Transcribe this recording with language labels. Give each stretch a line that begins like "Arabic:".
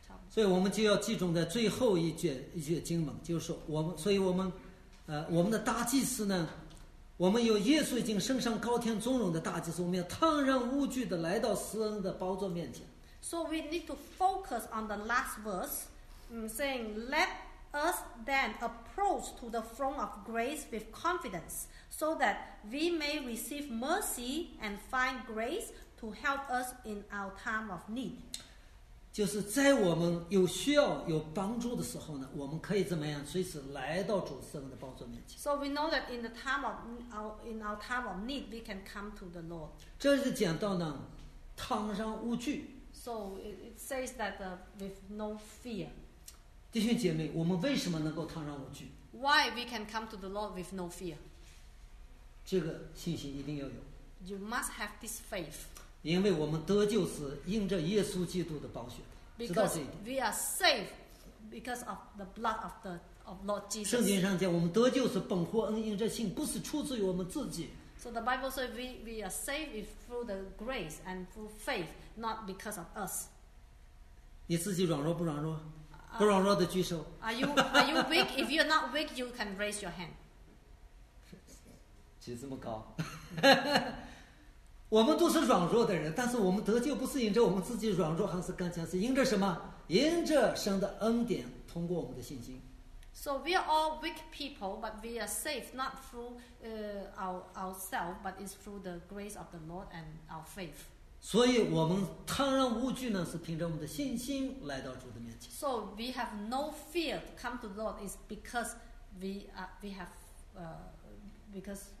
Chinese: 所以我们就要集中在最后一卷经文，就是说我们的大祭司呢，我们有耶稣已经升上高天尊荣的大祭司，我们要坦然无惧的来到施恩的宝座面前。
English: So we need to focus on the last verse, saying, let us then approach to the throne of grace with confidence, so that we may receive mercy and find grace to help us in our time of need.
Chinese: 就是在我们有需要有帮助的时候呢，我们可以怎么样随时来到主圣的宝座面前。
English: So we know that in the time of our time of need, we can come to the Lord.
Chinese: 这是讲到呢，坦然无惧。
English: So it says that with no fear.
Chinese: 弟兄姐妹，我们为什么能够坦然无惧？
English: Why we can come to the Lord with no fear?
Chinese: 这个信心一定要有。
English: You must have this faith.
Chinese: 因为我们得救是因着耶稣基督的宝血。
English: Because we are saved because of the blood of the Lord Jesus.
Chinese: 圣经上讲，我们得救是本乎恩，因着信，不是出自于我们自己。
English: So the Bible says we are saved through the grace and through faith, not because of us.
Chinese: 你自己软弱不软弱？不软弱的举手。
English: Are you weak? If you're not weak, you can raise your hand.
Chinese: 举这么高。我们都是软弱的人，但是我们得救不是因着我们自己软弱还是刚强，是因着什么？因着神的恩典，通过我们的信心。
English: So we are all weak people, but we are saved not through ourselves, but it's through the grace of the Lord and our faith.
Chinese: 所以我们坦然无惧呢，是凭着我们的信心来到主的面前。
English: So we have no fear to come to the Lord is because we have